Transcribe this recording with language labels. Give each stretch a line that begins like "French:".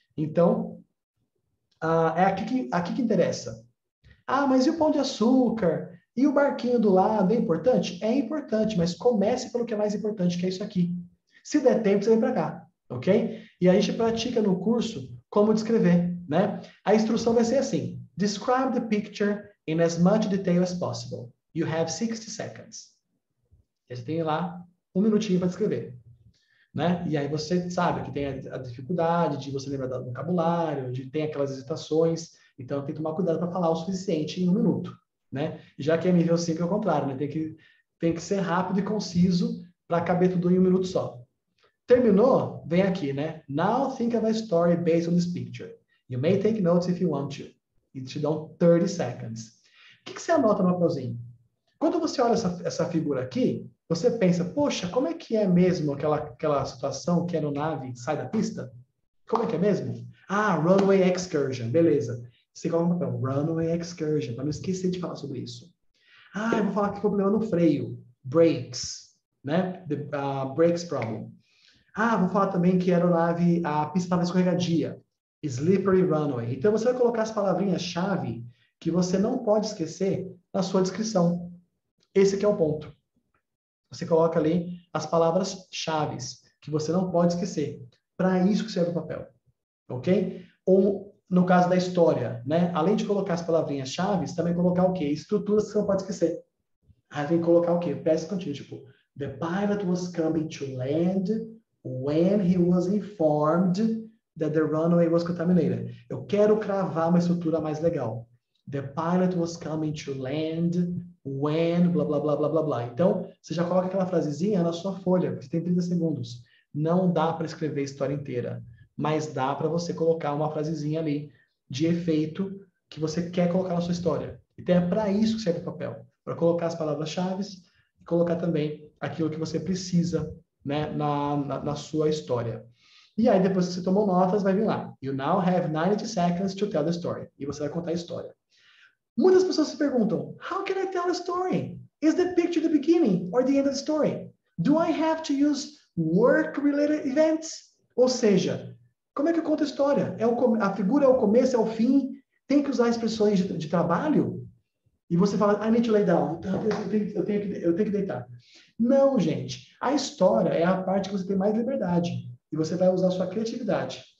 Portuguese: Então, é aqui que interessa. Ah, mas e o pão de açúcar? E o barquinho do lado? É importante? É importante, mas comece pelo que é mais importante, que é isso aqui. Se der tempo, você vem para cá, ok? E a gente pratica no curso como descrever, né? A instrução vai ser assim.
English: Describe the picture in as much detail as possible. You have 60 seconds.
Portuguese: E você tem lá um minutinho para descrever, né? E aí você sabe que tem a dificuldade de você lembrar do vocabulário, de ter aquelas hesitações. Então, tem que tomar cuidado para falar o suficiente em um minuto, né? Já que é nível 5, é o contrário, né? Tem que ser rápido e conciso para caber tudo em um minuto só. Terminou? Vem aqui, né?
English: Now think of a story based on this picture. You may take notes if you want to.
Portuguese: E te dão
English: 30 seconds.
Portuguese: O que você anota no papelzinho? Quando você olha essa figura aqui, você pensa, poxa, como é que é mesmo aquela situação que a aeronave sai da pista? Como é que é mesmo? Ah,
English: runway excursion.
Portuguese: Beleza. Você coloca no papel,
English: runway excursion.
Portuguese: Para não esquecer de falar sobre isso. Ah, eu vou falar que problema no freio. Brakes. Né?
English: Brakes problem.
Portuguese: Ah, vou falar também que a aeronave, a pista estava escorregadia.
English: Slippery runway.
Portuguese: Então, você vai colocar as palavrinhas-chave que você não pode esquecer na sua descrição. Esse que é o ponto. Você coloca ali as palavras-chave que você não pode esquecer. Para isso que serve o papel. Ok? Ou, no caso da história, né? Além de colocar as palavrinhas-chave, também colocar o quê? Estruturas que você não pode esquecer. Aí tem que colocar o quê? Peça contínua, tipo,
English: the pilot was coming to land when he was informed that the runway was contaminated.
Portuguese: Eu quero cravar uma estrutura mais legal.
English: The pilot was coming to land when blá, blá, blá, blá, blá, blá.
Portuguese: Então, você já coloca aquela frasezinha na sua folha, porque tem 30 segundos. Não dá para escrever a história inteira, mas dá para você colocar uma frasezinha ali de efeito que você quer colocar na sua história. Então, é para isso que serve o papel. Para colocar as palavras-chave e colocar também aquilo que você precisa, né, na sua história. E aí, depois que você tomou notas, vai vir lá.
English: You now have 90 seconds to tell the story.
Portuguese: E você vai contar a história. Muitas pessoas se perguntam,
English: how can I tell a story? Is the picture the beginning or the end of the story? Do I have to use work-related events?
Portuguese: Ou seja, como é que eu conto a história? A figura é o começo, é o fim? Tem que usar expressões de trabalho? E você fala,
English: I need to lay down.
Portuguese: Eu tenho que deitar. Não, gente. A história é a parte que você tem mais liberdade. E você vai usar a sua criatividade.